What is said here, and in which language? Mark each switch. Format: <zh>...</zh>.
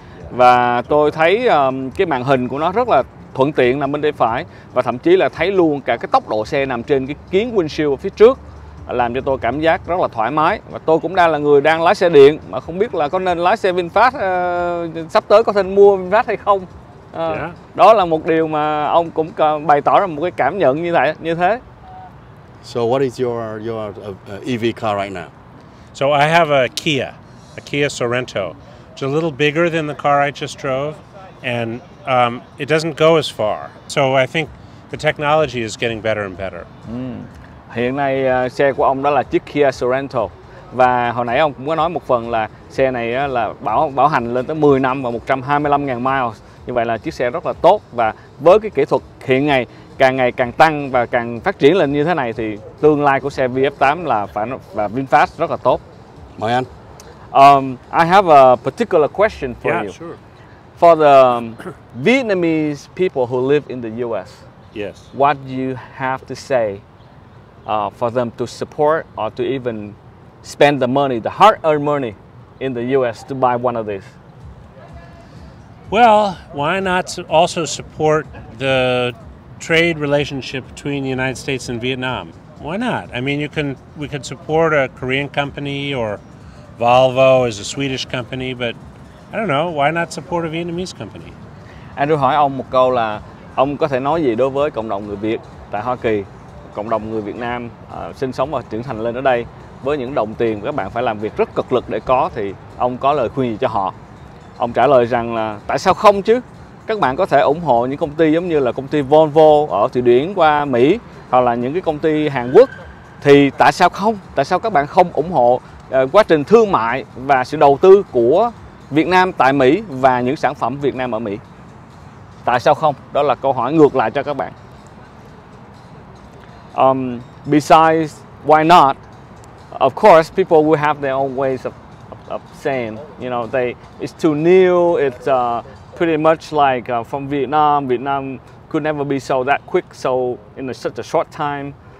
<vi>Và tôi thấy cái màn hình của nó rất là thuận tiện nằm bên tay phải, và thậm chí là thấy luôn cả cái tốc độ xe nằm trên cái kính windshield phía trước, làm cho tôi cảm giác rất là thoải mái. Và tôi cũng đang là người đang lái xe điện, mà không biết là có nên lái xe VinFast, sắp tới có nên mua VinFast hay không. Đó là một điều mà ông cũng bày tỏ ra một cái cảm nhận như thế.</vi> <en>So what is your EV car right now? So I have a Kia Sorento. It's a little bigger than the car I just drove, and it doesn't go as far. So I think the technology is getting better and better.</en> <vi>Hiện nay xe của ông đó là chiếc Kia Sorento. Và hồi nãy ông cũng có nói một phần là xe này là bảo hành lên tới 10 năm và 125.000 miles. Như vậy là chiếc xe rất là tốt. Và với cái kỹ thuật hiện ngày càng tăng và càng phát triển lên như thế này, thì tương lai của xe VF8 là và VinFast rất là tốt. Mời anh.</vi> <en>I have a particular question for yeah, you. Sure. For the Vietnamese people who live in the US, yes. What do you have to say for them to support or to even spend the money, the hard-earned money in the US to buy one of these? Well, why not also support the trade relationship between the United States and Vietnam? Why not? I mean, we could support a Korean company, or Volvo is a Swedish company, but I don't know, why not support a Vietnamese company?</en> <vi>Andrew hỏi ông một câu là ông có thể nói gì đối với cộng đồng người Việt tại Hoa Kỳ, cộng đồng người Việt Nam sinh sống và trưởng thành lên ở đây, với những đồng tiền các bạn phải làm việc rất cực lực để có, thì ông có lời khuyên gì cho họ? Ông trả lời rằng là tại sao không chứ? Các bạn có thể ủng hộ những công ty giống như là công ty Volvo ở Thụy Điển qua Mỹ, hoặc là những cái công ty Hàn Quốc, thì tại sao không? Tại sao các bạn không ủng hộ quá trình thương mại và sự đầu tư của Việt Nam tại Mỹ và những sản phẩm Việt Nam ở Mỹ? Tại sao không? Đó là câu hỏi ngược lại cho các bạn.</vi> <en>Besides, why not? Of course, people will have their own ways of saying, you know, it's too new, it's pretty much like from Vietnam. Vietnam could never be sold that quick, so in such a short time.</en>